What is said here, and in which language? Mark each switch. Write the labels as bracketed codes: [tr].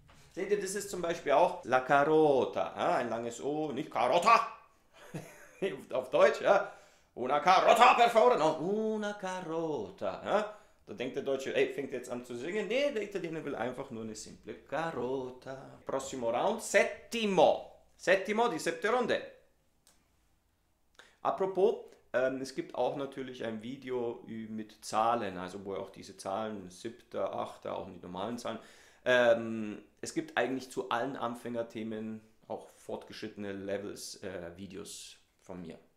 [de] Seht ihr, das ist zum Beispiel auch La carota. Ja, ein langes O, nicht Carota. Auf Deutsch, ja. [it] Una carota, per favore. No, una carota. [de] Ja, da denkt der Deutsche, ey, fängt jetzt an zu singen. Nee, der Italiener will einfach nur eine simple Carota. [it] Prossimo round, settimo. [de] Settimo, die siebte Runde. Apropos. Es gibt auch natürlich ein Video mit Zahlen, also wo auch diese Zahlen, siebter, achter, auch die normalen Zahlen. Es gibt eigentlich zu allen Anfängerthemen auch fortgeschrittene Levels Videos von mir.